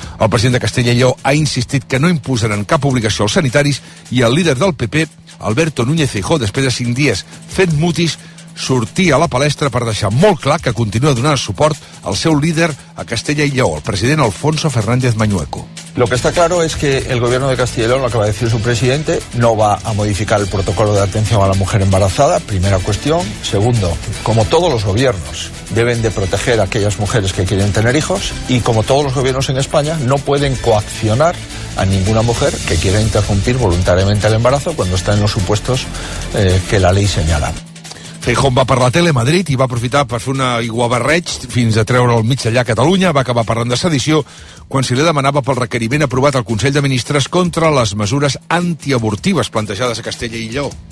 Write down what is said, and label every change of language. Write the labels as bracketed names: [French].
[Catalan] El president de Castella i Lleó ha insistit que no imposaran cap obligació als sanitaris i el líder del PP, Alberto Núñez Feijóo, després de 5 dies fent mutis, sortir a la palestra per deixar molt clar que continua donant suport al seu líder a Castella i Lleó, el president Alfonso Fernández Mañueco. [Spanish] Lo que está claro es que el gobierno de Castilla y León, lo acaba de decir su presidente, no va a modificar el protocolo de atención a la mujer embarazada, primera cuestión. Segundo, como todos los gobiernos deben de proteger a aquellas mujeres que quieren tener hijos, y como todos los gobiernos en España no pueden coaccionar a ninguna mujer que quiera interrumpir voluntariamente el embarazo cuando está en los supuestos que la ley señala. [Catalan] Feijóo va per la tele a Madrid i va aprofitar per fer una iguabarreig fins a treure el mig allà a Catalunya. Va acabar parlant de sedició quan se li demanava pel requeriment aprovat al Consell de Ministres contra les mesures antiabortives plantejades a Castella i Lleó.